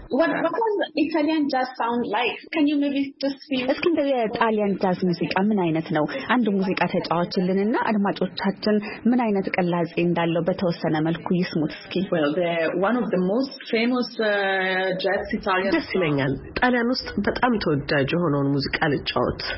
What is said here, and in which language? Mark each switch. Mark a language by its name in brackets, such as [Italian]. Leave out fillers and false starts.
[English] What does Italian jazz sound like? Can you maybe just feel? [Amharic] እስኪ የጣሊያን ጃዝ ሙዚቃ ምን አይነት ነው? አንድ ሙዚቃ ተጫዋችልንና አድማጮቻችን ምን አይነት ቀላጼ እንዳለው በተወሰነ መልኩ ይስሙት እስኪ። [English] Well, one of the most famous jazz Italian songs. [Amharic] ደስ ይለኛል። ጣሊያን ውስጥ በጣም ተወዳጅ የሆነውን ሙዚቃ ልጫወት።